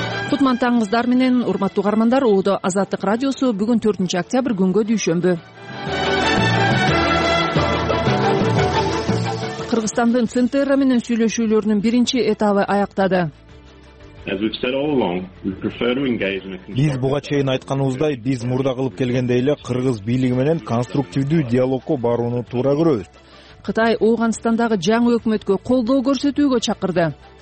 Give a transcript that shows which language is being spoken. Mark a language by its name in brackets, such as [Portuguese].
[Kyrgyz] Кутман таңыздар менен, урматтуу каармандар, Оодо Азаттык радиосу бүгүн 4 октябрь күнгө дүйшөмбү. Кыргызстандын центр менен сүйлөшүүлөрүнүн биринчи этабы аяктады. [English] As we've said all along, we prefer to engage in a constructive. [Kyrgyz] Биз буга чейин айтканыбыздай, биз мурда кылып келгендей эле кыргыз бийлиги менен конструктивдүү диалогко барууну туура көрөбүз. Кытай Ооганстандагы жаңы өкмөткө колдоо көрсөтүүгө чакырды.